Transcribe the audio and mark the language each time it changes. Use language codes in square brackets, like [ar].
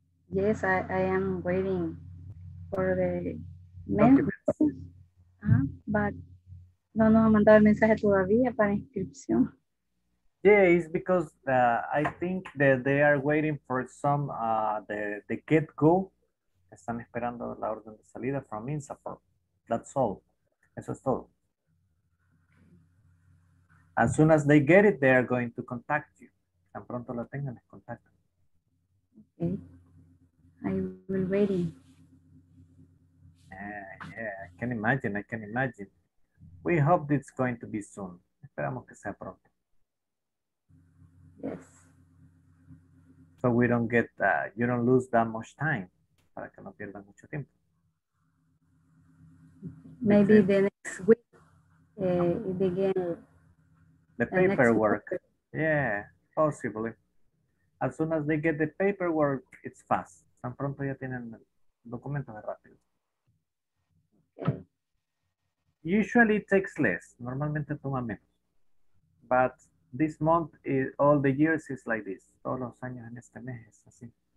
[en] Yes, I am waiting for the documents. [es] But no nos ha mandado el mensaje todavía para inscripción. [en] Yeah, it's because I think that they are waiting for some the get-go. [es] Están esperando la orden de salida from INSAFORP. [en] That's all. [es] Eso es todo. [en] As soon as they get it, they are going to contact you. [es] Tan pronto la tengan, les contactan. [en] Okay. I will be waiting. I can imagine. We hope it's going to be soon. [es] Esperamos que sea pronto. [en] Yes. So we don't get, you don't lose that much time. [es] Para que no pierdan mucho tiempo. [en] Maybe the next week begin. The paperwork. Yeah, possibly. As soon as they get the paperwork, it's fast. [es] Tan pronto ya tienen documentos de rápido. [en] Okay. Usually it takes less. [es] Normalmente toma menos. [en] But this month, all the years is like this. [es] Todos los años en este mes es así.